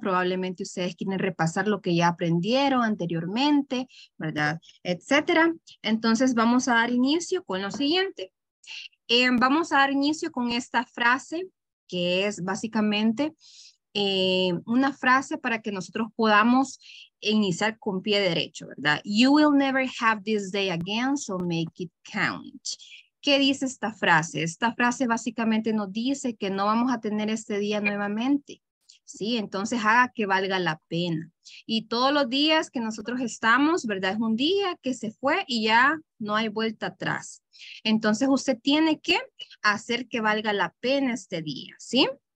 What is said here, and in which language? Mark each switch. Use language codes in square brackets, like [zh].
[es] Probablemente ustedes quieren repasar lo que ya aprendieron anteriormente, ¿verdad? Etcétera. Entonces vamos a dar inicio con lo siguiente. Vamos a dar inicio con esta frase que es básicamente una frase para que nosotros podamos iniciar con pie derecho, ¿verdad? [en] You will never have this day again, so make it count. [es] ¿Qué dice esta frase? Esta frase básicamente nos dice que no vamos a tener este día nuevamente, ¿sí? Entonces haga que valga la pena. Y todos los días que nosotros estamos, ¿verdad? Es un día que se fue y ya no hay vuelta atrás. Entonces usted tiene que hacer que valga la pena este día, ¿sí?